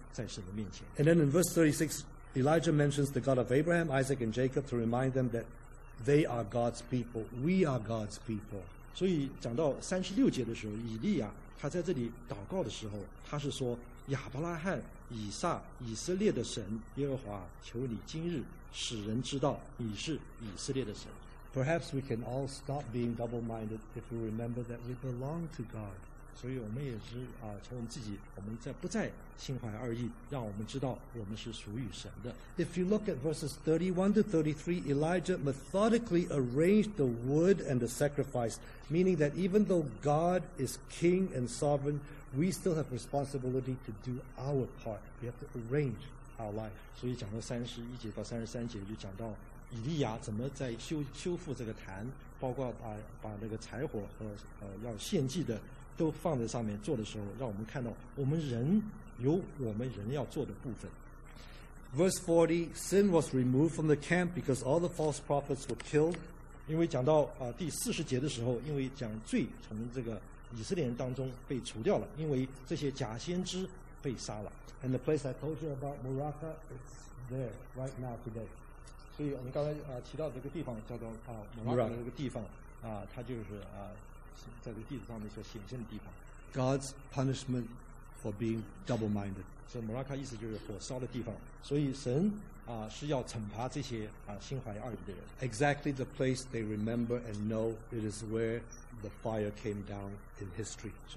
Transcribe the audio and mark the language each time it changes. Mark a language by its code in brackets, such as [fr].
[en] and then in verse 36, Elijah mentions the God of Abraham, Isaac, and Jacob to remind them that they are God's people. We are God's people. [zh] 所以讲到36节的时候, 以利亚, 他在这里祷告的时候, 他是说, 亚伯拉罕, 以撒, 以色列的神, 耶和华, 求你今日使人知道你是以色列的神。 [en] Perhaps we can all stop being double-minded if we remember that we belong to God. [zh] 所以我们也是, 从我们自己, 我们再不再心怀二意, 让我们知道我们是属于神的。 [en] If you look at verses 31 to 33, Elijah methodically arranged the wood and the sacrifice, meaning that even though God is king and sovereign, we still have responsibility to do our part. We have to arrange our life. [zh] 所以讲到31节到33节就讲到, 以利亚怎么在修复这个坛, 包括把那个柴火和, 要献祭的, 都放在上面做的时候, 让我们看到, 我们人, 有我们人要做的部分。 [en] Verse 40, sin was removed from the camp because all the false prophets were killed. [zh] 因为讲到, 第40节的时候, 因为讲罪从这个, 以色列人当中被除掉了, 因为这些假先知被杀了。 [en] And the place I told you about, Morocco, it's there right now today. [zh] 所以我们刚才, 提到的这个地方叫做, 摩拉克的这个地方, 它就是, 在这个地图上面所显现的地方。 [en] God's punishment for being double-minded. [zh] 所以摩拉克意思就是火烧的地方。所以神, 是要惩罚这些, 心怀二意的人。 [en] Exactly the place they remember and know, it is where the fire came down in history.